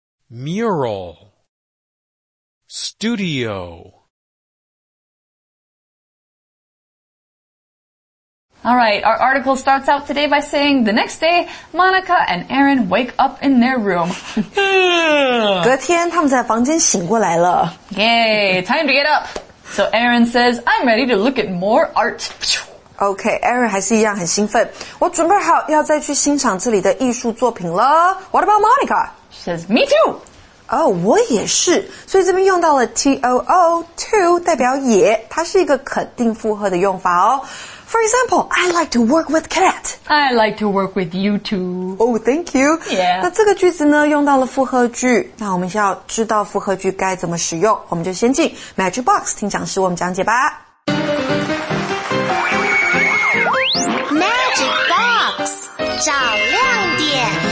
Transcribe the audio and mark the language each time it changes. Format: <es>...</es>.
<en>Mural. Studio. All right, our article starts out today by saying, the next day, Monica and Aaron wake up in their room.</en> <zh>隔天他们在房间醒过来了。</zh> <en>Yay, time to get up. So Aaron says, I'm ready to look at more art.</en> <zh>Okay, Aaron 还是一样很兴奋。我准备好要再去欣赏这里的艺术作品了。</zh> <en>What about Monica? She says, me too.</en> <zh>Oh, 我也是。所以这边用到了 T-O-O, to 代表也，它是一个肯定复合的用法哦。</zh> <en>For example, I like to work with Cadet. I like to work with you too. Oh, thank you. Yeah.</en> <zh>那这个句子呢用到了复合句。那我们需要知道复合句该怎么使用。我们就先进 Matchbox 听讲师为我们讲解吧。 Matchbox, 找亮点。</zh>